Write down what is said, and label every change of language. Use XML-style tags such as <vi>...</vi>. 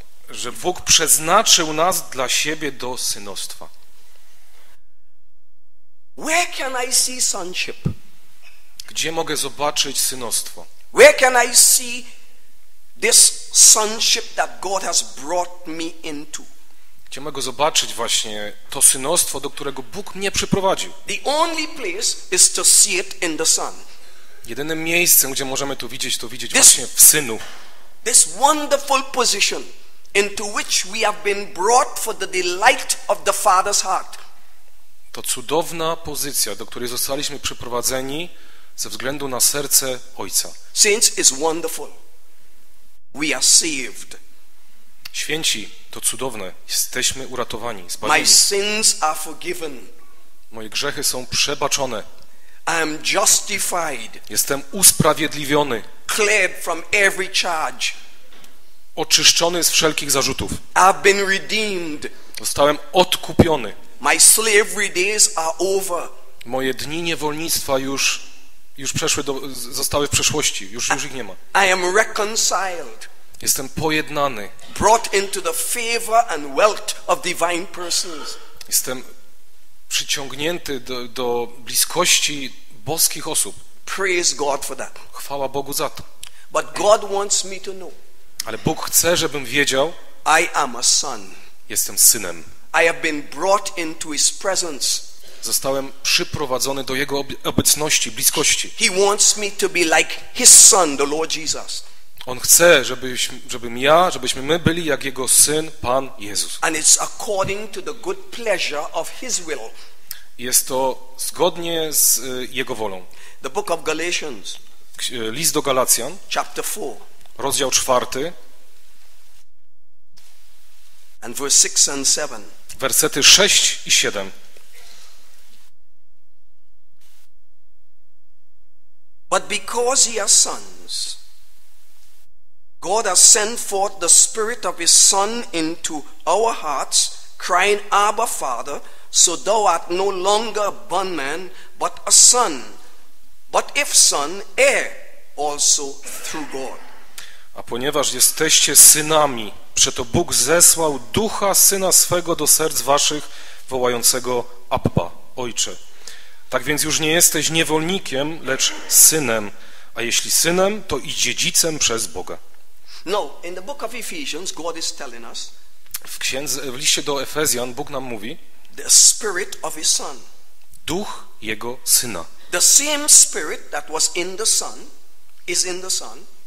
<pl>Że Bóg przeznaczył nas dla siebie do synostwa.</pl> <en>Where can I see sonship?</en> <pl>Gdzie mogę zobaczyć synostwo?</pl> <en>Where can I see this sonship that God has brought me into?</en> <pl>Gdzie mogę zobaczyć właśnie to synostwo, do którego Bóg mnie przyprowadził?</pl> <en>The only place is to see it in the Son.</en> <pl>Jedynym miejscem, gdzie możemy to widzieć</pl> <en>this,</en> <pl>właśnie w Synu.</pl> <en>This wonderful position into which we have been brought for the delight of the Father's heart.</en> <pl>To cudowna pozycja, do której zostaliśmy przyprowadzeni ze względu na serce Ojca.</pl> <en>Saints, it's wonderful. We are saved.</en> <pl>Święci, to cudowne. Jesteśmy uratowani, zbawieni.</pl> <en>My sins are forgiven.</en> <pl>Moje grzechy są przebaczone.</pl> <en>I am justified.</en> <pl>Jestem usprawiedliwiony.</pl> <en>Cleared from every charge.</en> <pl>Oczyszczony z wszelkich zarzutów.</pl> <en>I've been redeemed.</en> <pl>Zostałem odkupiony.</pl> <en>My slavery days are over.</en> <pl>Moje dni niewolnictwa już przeszły zostały w przeszłości. Już ich nie ma.</pl> <en>I am reconciled.</en> <pl>Jestem pojednany.</pl> <en>Brought into the favor and wealth of divine persons.</en> <pl>Jestem przyciągnięty do bliskości boskich osób.</pl> <en>Praise God for that.</en> <pl>Chwała Bogu za to.</pl> <en>But God wants me to know.</en> <pl>Ale Bóg chce, żebym wiedział.</pl> <en>I am a son.</en> <pl>Jestem synem.</pl> <en>I have been brought into his presence.</en> <pl>Zostałem przyprowadzony do jego obecności, bliskości.</pl> <en>He wants me to be like his son, the Lord Jesus.</en> <pl>On chce, żebyśmy my byli jak jego syn, Pan Jezus.</pl> <en>And it's according to the good pleasure of his will.</en> <pl>Jest to zgodnie z jego wolą.</pl> <en>The book of Galatians.</en> <pl>List do Galacjan.</pl> <en>Chapter 4.</en> <pl>Rozdział 4.</pl> <en>And verse 6 and 7.</en> <pl>Wersety 6 i 7.</pl> <en>But because ye are sons, God has sent forth the spirit of his son into our hearts, crying, Abba, Father, so thou art no longer a bondman, but a son. But if son, heir also through God.</en> <pl>A ponieważ jesteście synami, przeto Bóg zesłał ducha syna swego do serc waszych, wołającego Abba, Ojcze. Tak więc już nie jesteś niewolnikiem, lecz synem, a jeśli synem, to i dziedzicem przez Boga.</pl> <en>Now, in the book of Ephesians, God is telling us,</en> <pl>w liście do Efezjan Bóg nam mówi,</pl> <en>the spirit of his son.</en> <pl>Duch Jego Syna.</pl> <en>The same spirit that was in the son is in the son.</en>